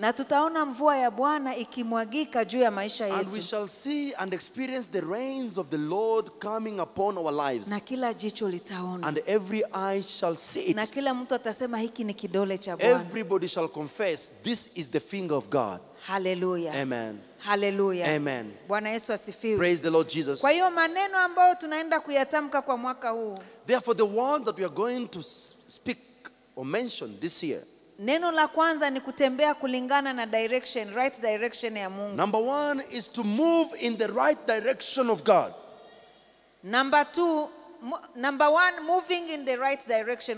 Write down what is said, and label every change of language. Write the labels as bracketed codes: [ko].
[sw] Na tutaona mvua ya Bwana ikimwagika juu ya maisha yetu. [en] And we shall see and experience the rains of the Lord coming upon our lives. [sw] Na kila jicho litaona. [en] And every eye shall see it. [sw] Na kila mtu atasema hiki ni kidole cha Bwana. [en] Everybody shall confess this is the finger of God. Hallelujah. Amen. Hallelujah. Amen. [sw] Bwana Yesu asifiwe. [en] Praise the Lord Jesus. [sw] Kwa hiyo maneno ambayo tunaenda kuyatamka kwa mwaka huu. [en] Therefore the word that we are going to speak or mention this year. [sw] Neno la kwanza ni kutembea kulingana na [en] direction, right direction [sw] ya Mungu. [en] Number one is to move in the right direction of God. Number one, moving in the right direction.